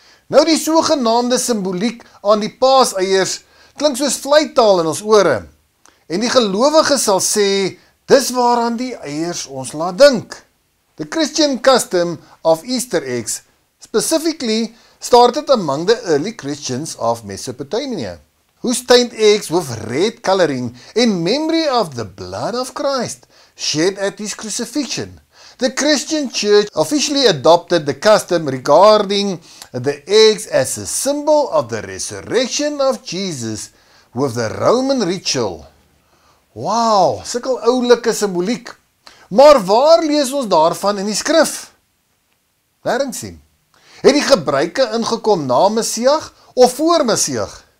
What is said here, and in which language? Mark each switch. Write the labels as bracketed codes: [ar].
[af] Nou die sogenaamde simboliek aan die paaseiers klink soos vleitaal in ons ore. En die gelowige sal sê, dis waaraan die eiers ons laat dink. [en] The Christian custom of Easter eggs specifically started among the early Christians of Mesopotamia, whose stained eggs with red colouring in memory of the blood of Christ shed at his crucifixion. The Christian church officially adopted the custom regarding the eggs as a symbol of the resurrection of Jesus with the Roman ritual. [af] Wow, sikkel oulike simboliek. Maar waar lees ons daarvan in die skrif? Nêrensie. Het die gebruike ingekom na Messiah of voor Messiah?